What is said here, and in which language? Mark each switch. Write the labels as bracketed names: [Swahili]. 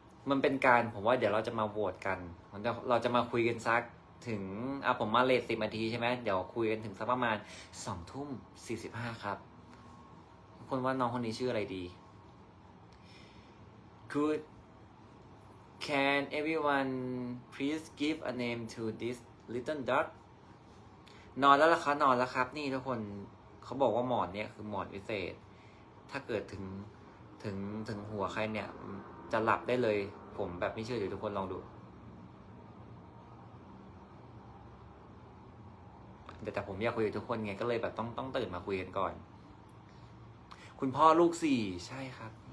[Thai] มันเป็นการผมว่าเดี๋ยวเราจะมาโหวตกันเราจะมาคุยกันสักถึงผมมาเลท10นาทีใช่ไหมเดี๋ยวคุยกันถึงสักประมาณ20:45ครับทุกคนว่าน้องคนนี้ชื่ออะไรดีGood. [English] Can everyone please give a name to this little dog? [Thai] นอนแล้วล่ะครับนอนแล้วครับนี่ทุกคนเขาบอกว่าหมอนเนี่ยคือหมอนพิเศษถ้าเกิดถึงหัวใครเนี่ยจะหลับได้เลยผมแบบไม่เชื่อเดี๋ยวทุกคนลองดูแต่ผมอยากคุยกับทุกคนไงก็เลยแบบต้องตื่นมาคุยกันก่อนคุณพ่อลูก4ใช่ครับ